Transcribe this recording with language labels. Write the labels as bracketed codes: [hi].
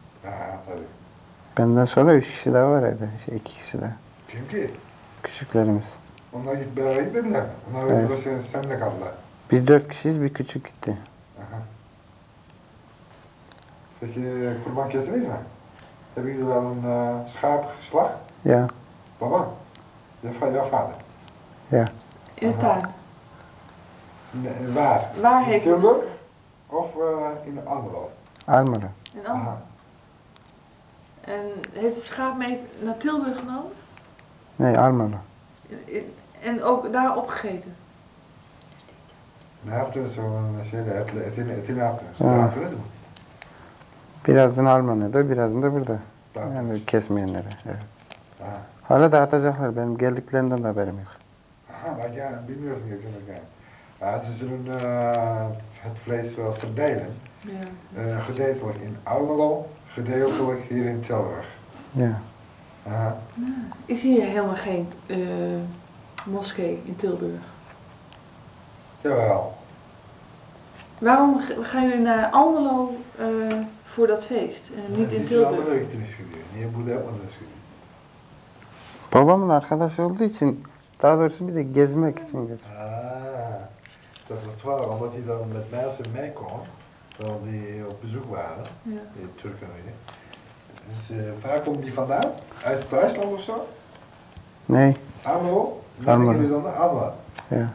[tr] Ha, tabii. Benden sonra 3 kişi daha var evde. Şey, 2 kişi daha. Kim ki? Küçüklerimiz. Onlar git beraber gitmediler. Onlar evet. Burada senle kaldılar. Biz 4 kişiyiz, bir küçük gitti. Aha. Peki kurban kestiniz mi? [nl] Hebben jullie wel een schaap geslacht? Ja. Baba? Jouw vader? Ja. In de tuin? Nee, waar? Waar heeft hij? In Tilburg? Of in Almelo? Almelo. In Almelo. En heeft het schaap mee naar Tilburg genomen? Nee, Almelo. En ook daar opgegeten? [tr] Ne yaptınız o zaman? Şeyde, eti ne yaptınız? Ha. Birazını Almanya'da, birazını da burada. Tamam. Yani kesmeyenlere. Evet. Ha. Hala dağıtacaklar. Benim geldiklerinden de haberim yok. Ha, yani bilmiyorsun ki. Yani. [nl] Ze zullen het vlees wel verdelen. Ja. Gedeeld wordt in Almelo, gedeeltelijk hier in Tilburg. Ja. Is hier helemaal geen moskee in Tilburg? Jawel. Waarom gaan jullie naar Almelo voor dat feest? Niet in Tilburg? Niet in Almelo, ik denk het niet. Niet in Boede, maar dat is goed. [tr] Babamın arkadaşı olduğu için, daha doğrusu bir de gezmek için geldi. [nl] Aa, dat was toevallig, omdat hij dan met mensen mee kon, terwijl die op bezoek waren, ja. In Turkije. Dus waar komt die vandaan? Uit Duitsland of zo? Nee. Almelo? Almelo. Wie denken jullie dan? Ja.